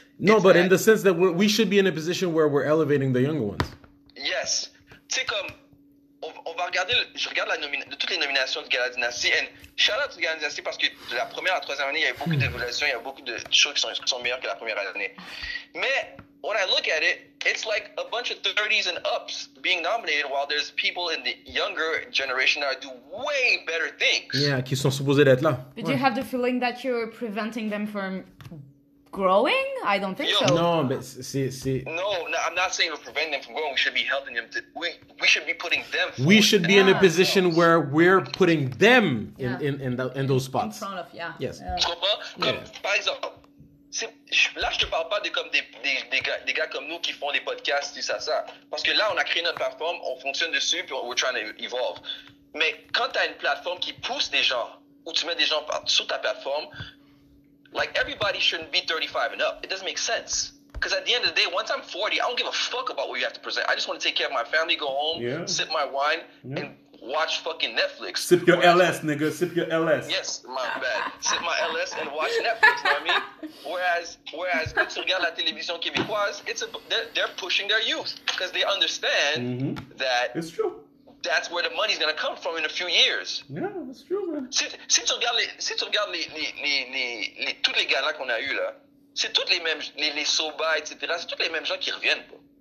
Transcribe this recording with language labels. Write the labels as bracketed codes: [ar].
[en] No, but in the sense that we should be in a position where we're elevating the younger ones. [fr] Yes. Tu sais, comme... On va regarder... Je regarde toutes les nominations de Gala Dynastie. [en] And shout-out to Gala Dynastie [fr] parce que de la première à la troisième année, il y a eu beaucoup d'évolutions, il y a beaucoup de choses qui sont meilleures que la première année. Mais... [en] When I look at it, it's like a bunch of 30s and ups being nominated while there's people in the younger generation that do way better things. [fr] Yeah, qui sont supposés d'être là. [en] But do you have the feeling that you're preventing them from growing? I don't think so. No, but see. No, I'm not saying we're preventing them from growing. We should be helping them. We should be putting them. We should be in a position where we're putting them in those spots. In front of, yeah. Yes. [fr] Par exemple... Là, je te parle pas des gars comme nous qui font des podcasts, ça. Parce que là, on a créé notre plateforme, on fonctionne dessus, puis [en] we're trying to evolve. [fr] Mais quand t'as une plateforme qui pousse des gens, ou tu mets des gens sur ta plateforme, [en] like, everybody shouldn't be 35 and up. It doesn't make sense. Because at the end of the day, once I'm 40, I don't give a fuck about what you have to present. I just want to take care of my family, go home, sip my wine, and watch fucking Netflix. Sip your LS, nigga. Sip your LS. Yes, my bad. Sip my LS and watch Netflix, you know what I mean? Whereas, [fr] quand tu regardes la télévision québécoise, [en] they're pushing their youth. Because they understand that... It's true. That's where the money's gonna come from in a few years. Yeah, it's true, man. [fr] Si tu regardes tous les gars-là qu'on a eu là, c'est tous les mêmes... Les Soba, etc. C'est tous les mêmes gens qui reviennent, bro.